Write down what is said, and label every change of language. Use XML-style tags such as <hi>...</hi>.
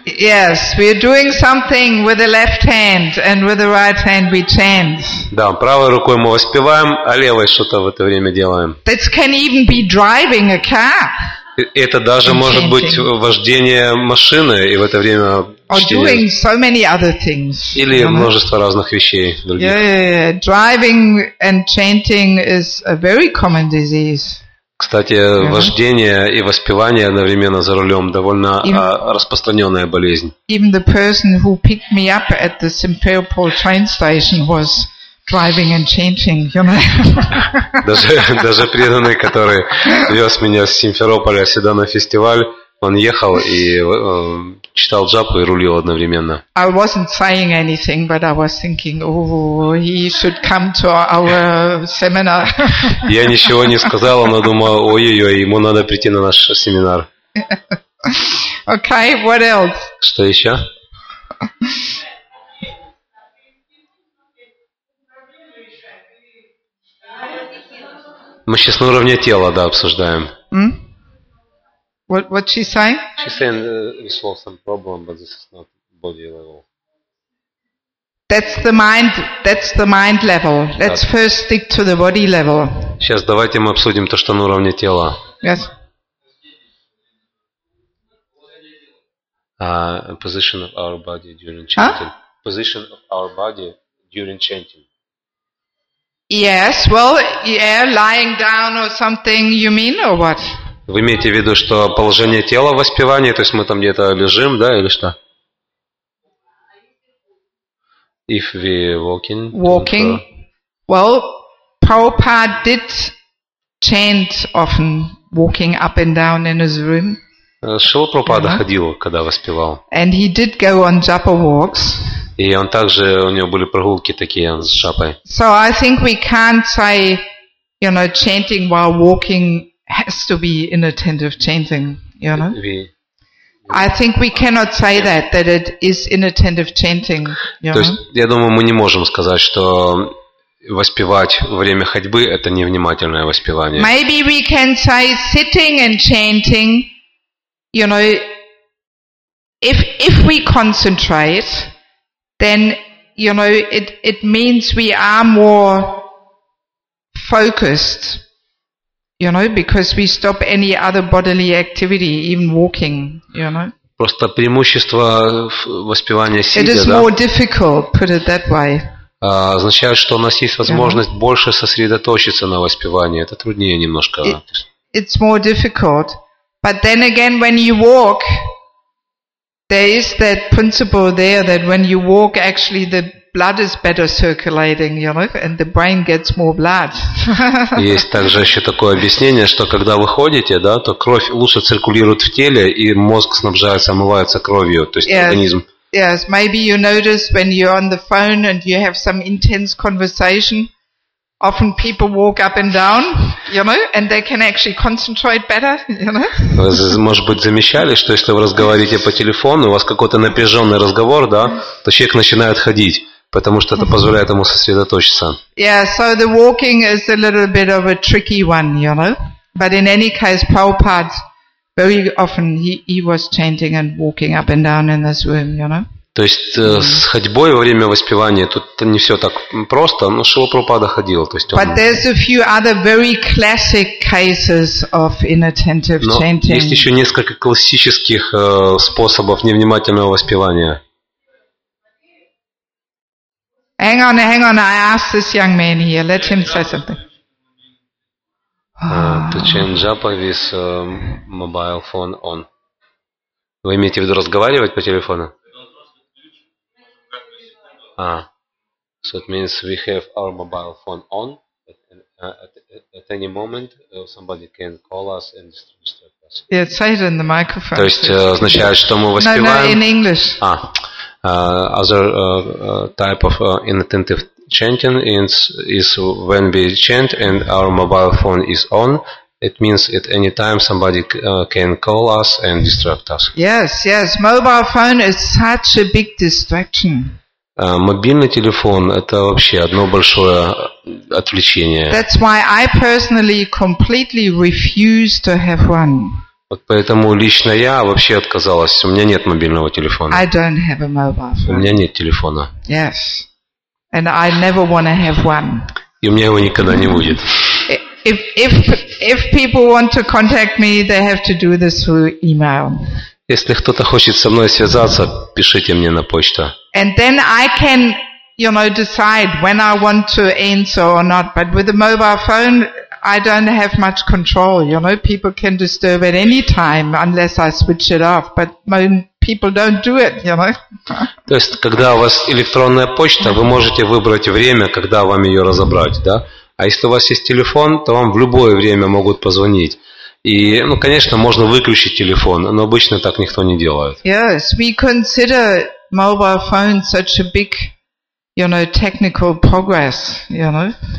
<en>Yes, we're doing something with the left hand, and with the right hand we chant.</en> <ru>Да, правой рукой мы воспеваем, а левой что-то в это время делаем.</ru> <en>That can even be driving a car.</en> <ru>Это даже может быть вождение машины и в это время чтение.</ru> <en>Or doing so many other things.</en> <ru>Или множество разных вещей других.</ru> <en>Yeah. Driving and chanting is a very common disease.</en> <ru>Кстати, вождение и воспевание одновременно за рулем довольно распространенная болезнь.</ru> <en>Even the person who picked me up at the Simferopol train station was driving and chanting, you know.</en> <ru>Даже преданный, который вез меня с Симферополя сюда на фестиваль, он ехал и читал джапу и рулил одновременно.</ru> <en>I wasn't saying anything, but I was thinking, oh, he should come to our seminar.</en> <ru>Я ничего не сказал, но думал, ой-ой-ой, ему надо прийти на наш семинар.</ru> <en>Okay, what else?</en> <ru>Что еще? Мы сейчас на уровне тела, да, обсуждаем.</ru> <en>What she say? She said we solve some problem, but this is not body level. That's the mind level. Let's first stick to the body level.</en> <ru>Сейчас давайте мы обсудим то, что на уровне тела.</ru> <en>Yes. Position of our body during chanting. Huh? Position of our body during chanting. Yes, well, yeah, lying down or something, you mean, or what?</en> <ru>Вы имеете в виду, что положение тела в воспевании, то есть мы там где-то лежим, да, или что?</ru> <en>If we walking. Walking. Well, Prabhupada did chant often, walking up and down in his room.</en> <ru>Шрила Прабхупада ходил, когда воспевал.</ru> <en>And he did go on japa walks.</en> <ru>И он также, у него были прогулки такие с шапой.</ru> <en>So I think we can't say, you know, chanting while walking has to be inattentive chanting, you know? We, I think we cannot say that, that it is inattentive chanting. То есть, я думаю, мы не можем сказать, что воспевать время ходьбы – это невнимательное воспевание. Maybe we can say sitting and chanting, you know, if we concentrate, then, you know, it means we are more focused, you know, because we stop any other bodily activity, even walking, you know.</en> <ru>Просто преимущество воспевания сидя,</ru> <en>it is more difficult, put it that way.</en> <ru>Означает, что у нас есть возможность yeah. больше сосредоточиться на воспевании. Это труднее немножко.</ru> <en>It's more difficult. But then again, when you walk, there is that principle there that when you walk, actually the blood is better circulating, you know, and the brain gets more blood.</en> <ru>Есть также еще такое объяснение, что когда вы ходите, да, то кровь лучше циркулирует в теле, и мозг снабжается, омывается кровью, то есть организм.</ru> <en>Yes, maybe you notice when you're on the phone and you have some intense conversation, often people walk up and down, you know, and they can actually concentrate better, you know.</en> <ru>Вы, может быть, замечали, что если вы разговариваете по телефону, у вас какой-то напряженный разговор, да, то человек начинает ходить, потому что это позволяет ему сосредоточиться.</ru> <en>Yeah, so the walking is a little bit of a tricky one, you know. But in any case, Prabhupada very often he was chanting and walking up and down in this room, you know.</en> <ru>То есть с ходьбой во время воспевания тут не все так просто, но Шрила Прабхупада ходил, то есть он.</ru> <en>But there's a few other very classic cases of inattentive chanting.</en> <ru>Но есть еще несколько классических способов невнимательного воспевания.</ru> <en>Hang on, I asked this young man here, let him say something. To change Japa with mobile phone on.</en> <ru>Вы имеете в виду разговаривать по телефону?</ru> <en>So it means we have our mobile phone on. At any moment, somebody can call us and disturb us. Yeah, say it in the microphone.</en> <ru>То есть означает, что мы воспеваем...</ru> <en>No, in English. Type of inattentive chanting is when we chant and our mobile phone is on. It means at any time somebody can call us and distract us. Yes. Mobile phone is such a big distraction.</en> <ru>Мобильный телефон – это вообще одно большое отвлечение.</ru> <en>That's why I personally completely refuse to have one.</en> <ru>Вот поэтому лично я вообще отказалась. У меня нет мобильного телефона.</ru> <en>I don't have a mobile phone.</en> <ru>У меня нет телефона.</ru> <en>Yes. And I never want to have one.</en> <ru>И у меня его никогда не будет.</ru> <en>If people want to contact me, they have to do this through email.</en> <ru>Если кто-то хочет со мной связаться, пишите мне на почту.</ru> <en>And then I can, you know, decide when I want to answer or not. But with a mobile phone, I don't have much control, you know. People can disturb at any time, unless I switch it off. But people don't do it, you know.</en> <ru>То есть, когда у вас электронная почта, вы можете выбрать время, когда вам ее разобрать, да? А если у вас есть телефон, то вам в любое время могут позвонить. И, ну, конечно, можно выключить телефон, но обычно так никто не делает.</ru> <en>Yes, we consider mobile phones such a big, you know, technical progress, you know.</en>